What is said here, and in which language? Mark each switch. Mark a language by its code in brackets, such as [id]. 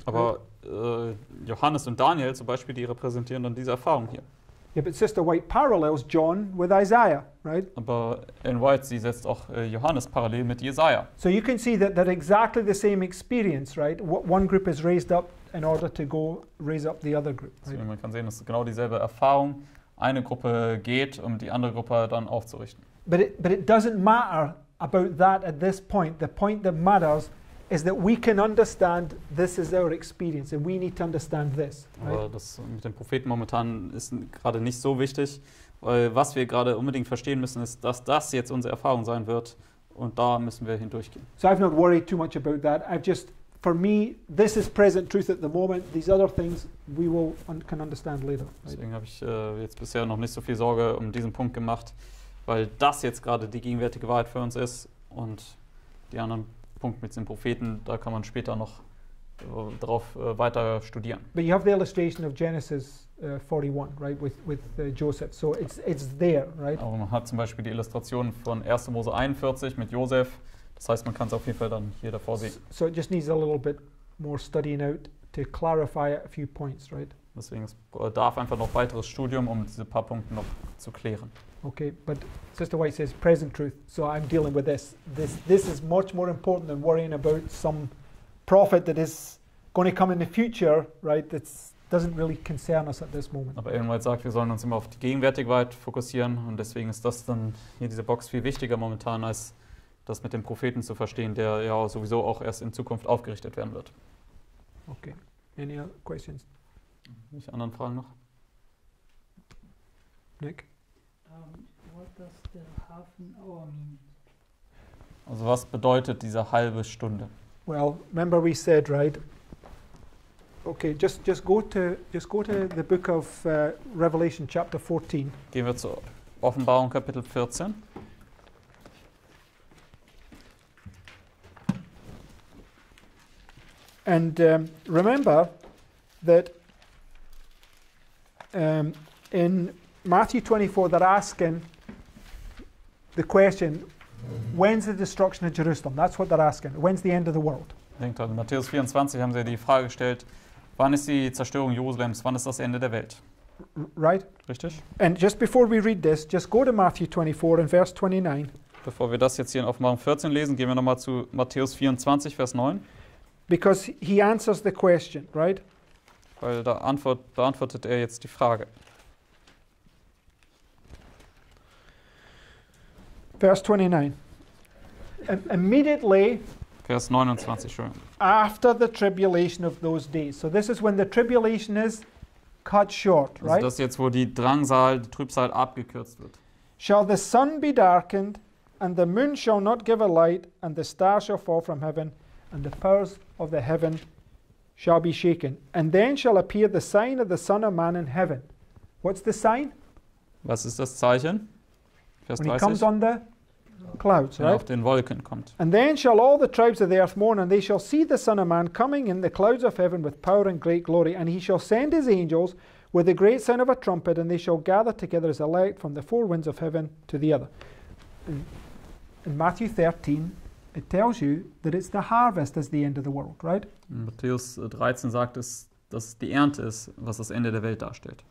[de] Aber Johannes und Daniel zum Beispiel, die repräsentieren dann diese Erfahrung hier. [en] Yeah, but Sister White parallels John with Isaiah, right? [de] Aber Ellen White, sie setzt auch Johannes parallel mit Jesaja. [en] So you can see that exactly the same experience, right? One group is raised up in order to go raise up the other group. Right? [de] Also, man kann sehen, es ist genau dieselbe Erfahrung. Eine Gruppe geht, um die andere Gruppe dann aufzurichten. [en] But it doesn't matter about that at this point. The point that matters is that we can understand this is our experience and we need to understand this. [de] Aber das mit den Propheten momentan ist gerade nicht so wichtig, weil was wir gerade unbedingt verstehen müssen, ist, dass das jetzt unsere Erfahrung sein wird Und da müssen wir hindurchgehen. [en] So I've not worried too much about that. I've just, for me, this is present truth at the moment. These other things we will can understand later. Right? [de] Deswegen habe ich jetzt bisher noch nicht so viel Sorge um diesen Punkt gemacht, weil das jetzt gerade die gegenwärtige Wahrheit für uns ist und die anderen Punkte mit den Propheten, da kann man später noch drauf weiter studieren. [en] But you have the illustration of Genesis 41, right, with Joseph. So it's there, right? [de] Aber man hat zum Beispiel die Illustration von 1. Mose 41 mit Joseph. Das heißt, man kann es auf jeden Fall dann hier davor sehen. [en] So it just needs a little bit more studying out to clarify a few points, right? [de] Deswegen darf einfach noch weiteres Studium, um diese paar Punkte noch zu klären. [en] Okay, but Sister White says present truth, so I'm dealing with this. This is much more important than worrying about some prophet that is going to come in the future, right? That doesn't really concern us at this moment. [de] Aber Ellen White sagt, wir sollen uns immer auf die gegenwärtige Wahrheit fokussieren und deswegen ist das dann hier diese Box viel wichtiger momentan, als das mit dem Propheten zu verstehen, der ja sowieso auch erst in Zukunft aufgerichtet werden wird. [en] Okay, any other questions? [de] Nicht anderen Fragen noch? Nick? [en] What does the half an hour mean? [de] Also was bedeutet diese halbe Stunde? [en] Well, remember we said, right? Okay, just go to the book of Revelation chapter 14. [de] Gehen wir zur Offenbarung Kapitel 14. [en] And remember that in Matthew 24 they're asking the question, when's the destruction of Jerusalem? That's what they're asking. When's the end of the world? [de] Denkt an, in Matthäus 24 haben sie die Frage gestellt, wann ist die Zerstörung Jerusalems? Wann ist das Ende der Welt? [en] Right? [de] Richtig. [en] And just before we read this, just go to Matthew 24 and verse 29. [de] Bevor wir das jetzt hier in Offenbarung 14 lesen, gehen wir nochmal zu Matthäus 24, Vers 9. [en] Because he answers the question, right? [de] Weil da beantwortet er jetzt die Frage. [en] Verse 29. Immediately. [de] Vers 29, [en] sure. After the tribulation of those days. So this is when the tribulation is cut short, right? [de] Also das jetzt, wo die Drangsal, die Trübsal abgekürzt wird. [en] Shall the sun be darkened, and the moon shall not give a light, and the stars shall fall from heaven, and the powers of the heaven shall be shaken. And then shall appear the sign of the Son of Man in heaven. What's the sign? [de] Was ist das Zeichen? Vers 30. [en] When he comes on the clouds, [de] wenn Auf den Wolken kommt. [en] And then shall all the tribes of the earth mourn, and they shall see the Son of Man coming in the clouds of heaven with power and great glory. And he shall send his angels with the great sound of a trumpet, and they shall gather together his elect from the four winds of heaven to the other. In Matthew 13, it tells you that it's the harvest is the end of the world, right? [de] In Matthäus 13 sagt es, dass die Ernte ist, was das Ende der Welt darstellt.